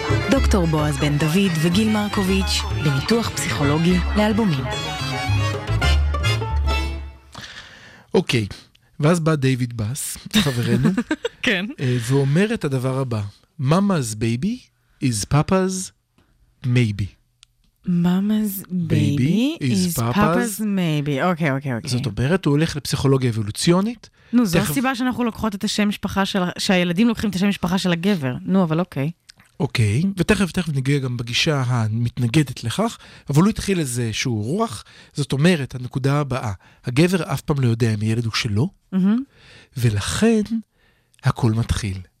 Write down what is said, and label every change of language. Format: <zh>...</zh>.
<he>דוקטור בועז בן דוד וגיל מרקוביץ' בניתוח פסיכולוגי לאלבומים. אוקיי, ואז בא דיוויד באס, חברנו, כן, ואומר את הדבר הבא:</he> <en>Mama's baby is papa's maybe. Mama's baby is papa's maybe.</en> <he>אוקיי, אוקיי, אוקיי. זאת אומרת, הוא הולך לפסיכולוגיה אבולוציונית. נו, זו הסיבה שאנחנו לוקחות את השם משפחה של... שהילדים לוקחים את השם משפחה של הגבר. נו, אבל אוקיי. אוקיי, ותכף נגיע גם בגישה המתנגדת לכך, אבל הוא התחיל איזה שהוא רוח. זאת אומרת, הנקודה הבאה, הגבר אף פעם לא יודע אם הילד הוא שלו, ולכן הכל מתחיל.</he>